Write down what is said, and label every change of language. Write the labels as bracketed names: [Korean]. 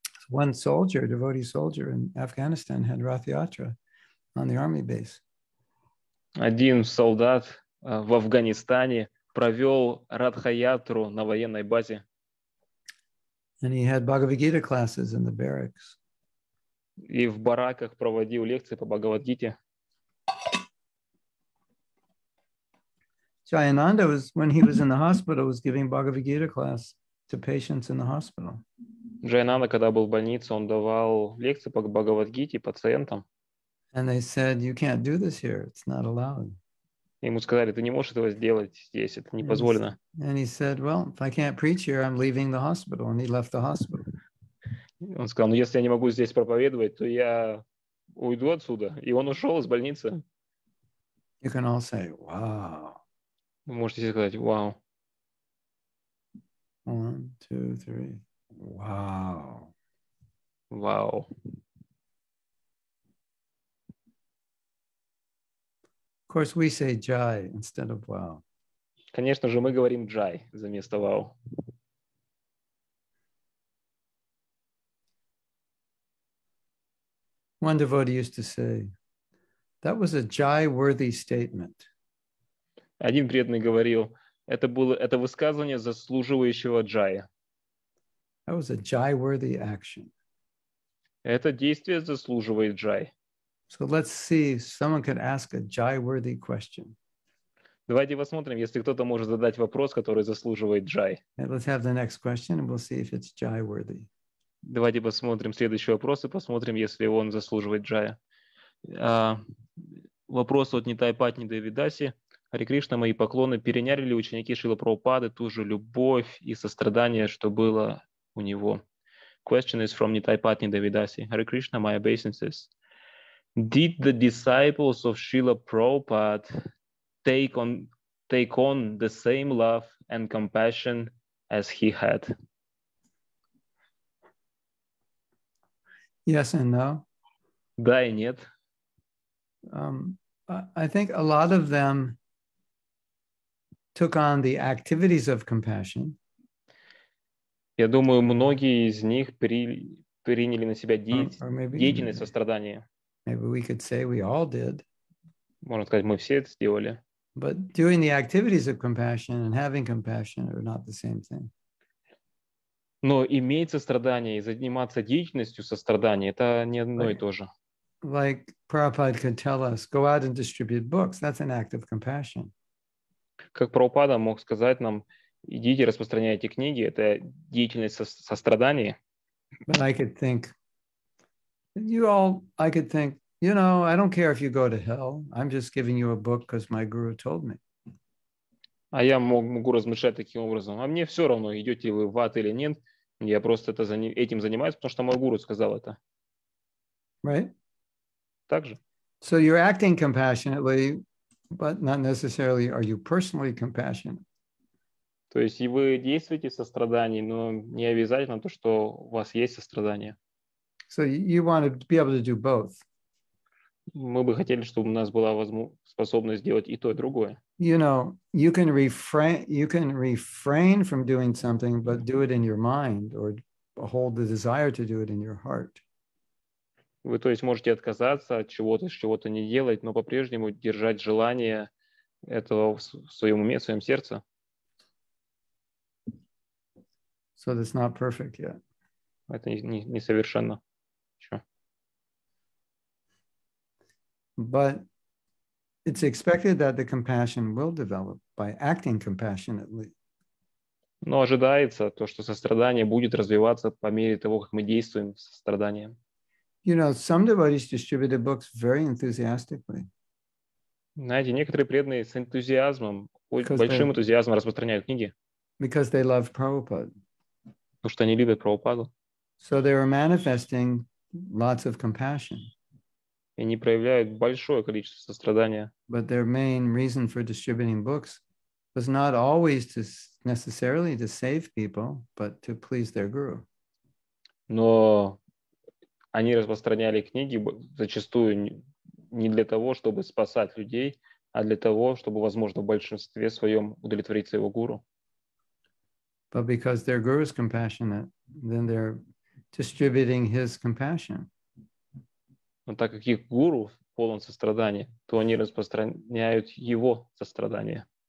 [English] One soldier, devotee soldier in Afghanistan had Rath Yatra on the army base. [Russian] Один солдат в Афганистане провел Радха-ятру на военной базе. [English] And he had Bhagavad-Gita classes in the barracks. [Russian] И в бараках проводил лекции по Бхагавад-Гите. [English] Jayananda, when he was in the hospital, was giving Bhagavad-Gita class to patients in the hospital. [Russian] Jayananda, когда был в больнице, он давал лекции по Бхагавад-Гите пациентам. [English] And they said, you can't do this here. It's not allowed. [Russian] Ему сказали, ты не можешь этого сделать здесь. Это не позволено. [English] And he said, well, if I can't preach here, I'm leaving the hospital. And he left the hospital. [Russian] Он сказал, ну если я не могу здесь проповедовать, то я уйду отсюда. И он ушел из больницы. [English] You can all say, wow. [Russian] Вы можете сказать, wow. [English] One, two, three. Wow. Wow. Of course, we say jai instead of wow. [Russian] Конечно же, мы говорим jai вместо wow. [English] One devotee used to say, "That was a jai-worthy statement." [Russian] Один преданный говорил, это высказывание заслуживающего jai. [English] That was a jai-worthy action. [Russian] Это действие заслуживает jai. [English] So let's see if someone could ask a jai-worthy question. [Russian] Давайте посмотрим, если кто-то может задать вопрос, который заслуживает jai. [English] And let's have the next question and we'll see if it's jai-worthy. [Russian] Давайте посмотрим следующий вопрос и посмотрим, если он заслуживает jai. Вопрос от Нитайпатни Девидаси. Хари Кришна, мои поклоны, переняли ли ученики Шрилы Прабхупады ту же любовь и сострадание, что было у него? [English] Question is from Нитайпатни Девидаси. Хари Кришна, my obeisances. Did the disciples of Srila Prabhupada take on the same love and compassion as he had? Yes and no. [Russian] Да и нет. [English] I think a lot of them took on the activities of compassion. [Russian] Я думаю, многие из них приняли на себя деятельность сострадания. [English] Maybe we could say we all did. [Russian] Можно сказать, мы все это сделали. [English] But doing the activities of compassion and having compassion are not the same thing. [Russian] Но иметь сострадание и заниматься деятельностью сострадания — это не одно и то же. [English] Like Prabhupada could tell us, go out and distribute books. That's an act of compassion. [Russian] Как Прабхупада мог сказать нам, идите распространяйте книги, это деятельность сострадания. [English] But I could think, you know, I don't care if you go to hell. I'm just giving you a book because my guru told me. [Russian] А я могу размышлять таким образом. А мне все равно, идете вы в ад или нет. Я просто этим занимаюсь, потому что мой гуру сказал это. [English] Right? [Russian] Так же. [English] So you're acting compassionately, but not necessarily are you personally compassionate. [Russian] То есть вы действуете со страданием, но не обязательно то, что у вас есть сострадание. [English] So you want to be able to do both. [Russian] Мы бы хотели, чтобы у нас была способность сделать и то, и другое. [English] You know, you can refrain from doing something, but do it in your mind or hold the desire to do it in your heart. [Russian] Вы, то есть, можете отказаться от чего-то, чего-то не делать, но по-прежнему держать желание этого в своем уме, в своем сердце. [English] So that's not perfect yet. [Russian] Это не совершенно. [English] But it's expected that the compassion will develop by acting compassionately. [Russian] Но ожидается то, что сострадание будет развиваться по мере того, как мы действуем со страданием. [English] You know, some devotees distributed books very enthusiastically. [Russian] Знаете, некоторые преданные с энтузиазмом, большим энтузиазмом распространяют книги. [English] Because they love Prabhupada. [Russian] Потому что они любят Прабхупаду. [English] So they are manifesting lots of compassion. [Russian] И они проявляют большое количество сострадания. [English] But their main reason for distributing books was not always to necessarily to save people, but to please their guru. [Russian] Но они распространяли книги зачастую не для того, чтобы спасать людей, а для того, чтобы, возможно, в большинстве своем удовлетворить своего гуру. [English] But because their guru is compassionate, then they're distributing his compassion. [Russian] Но так как их гуру полон сострадания, то они распространяют его сострадание.